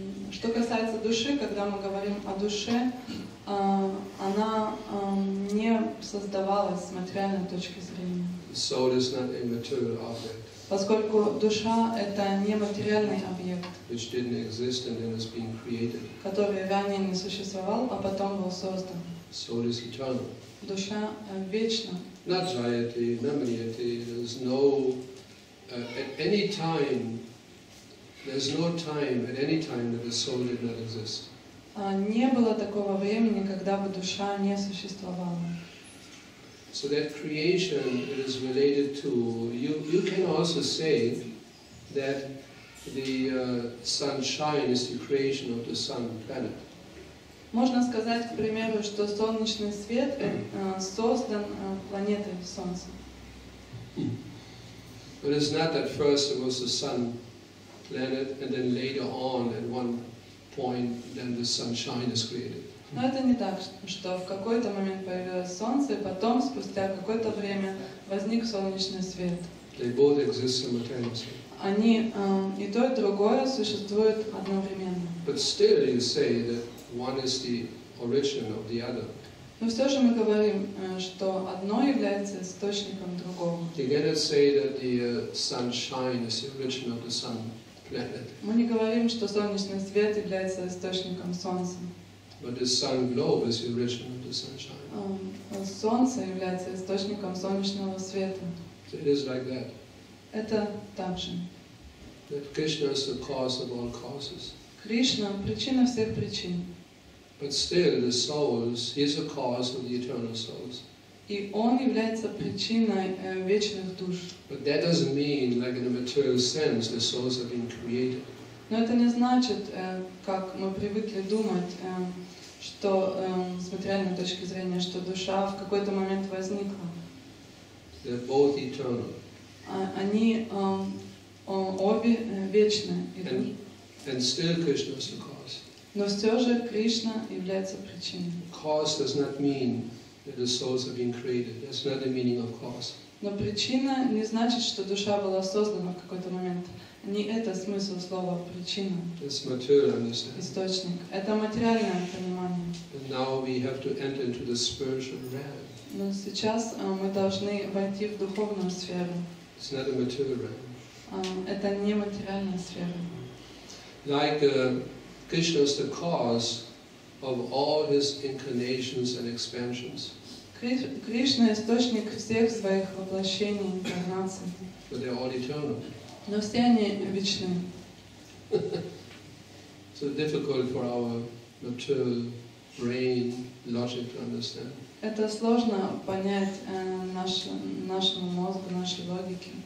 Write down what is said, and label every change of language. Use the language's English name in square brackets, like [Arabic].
[Russian] Что касается души, когда мы говорим о душе, она не создавалась с материальной точки зрения. [English] Soul is not a material object. [Russian] Поскольку душа — это не материальный объект, [English] which didn't exist and then is being created. [Russian] Который ранее не существовал, а потом был создан. [English] Soul is eternal. [Russian] Душа вечна. [English] Not jayati, not maniati, there's no, at any time, there's no time at any time that the soul did not exist. [Russian] Не было такого времени, когда бы душа не существовала. [English] So that creation it is related to. You can also say that the sunshine is the creation of the sun planet. [Russian] Можно сказать, к примеру, что солнечный свет создан планетой Солнца. [English] But it's not that first it was the sun planet, and then later on, at one point, then the sunshine is created. [Russian] Но это не так, что в какой-то момент появилось солнце, и потом, спустя какое-то время, возник солнечный свет. [English] They both exist simultaneously. [Russian] Они и то, и другое существуют одновременно. [English] But still you say that one is the origin of the other. [Russian] Но все же мы говорим, что одно является источником другого. [English] Together say that the sunshine is the origin of the sun. [Russian] Мы не говорим, что солнечный свет является источником солнца. [English] But the sun globe is the origin of the sunshine. [Russian] Солнце является источником солнечного света. [English] So it is like that. [Russian] Это так же. [English] That Krishna is the cause of all causes. [Russian] Кришна — причина всех причин. [English] But still, the souls, he is the cause of the eternal souls. [Russian] И он является причиной вечных душ. [English] But that doesn't mean, like in a material sense, the souls have been created. [Russian] Но это не значит, как мы привыкли думать, что с материальной точки зрения, что душа в какой-то момент возникла. [English] They're both eternal. [Russian] Они обе вечны. [English] And still Krishna is the cause. [Russian] Но все же Кришна является причиной. [English] Cause does not mean that the souls have been created. That's not the meaning of cause. [Russian] Но причина не значит, что душа была создана в какой-то момент. Не это смысл слова причина. [English] It's material understanding. [Russian] Источник. Это материальное понимание. [English] And now we have to enter into the spiritual realm. [Russian] Но сейчас мы должны войти в духовную сферу. [English] It's not a material realm. [Russian] Это не материальная сфера. [English] Like Krishna is the cause of all his incarnations and expansions. [Russian] Кришна — источник всех своих воплощений, инкарнаций. [English] But they're all eternal. [Russian] Но все они вечны. [English] So difficult for our material brain logic to understand. [Russian] Это сложно понять нашему мозгу, нашей логике.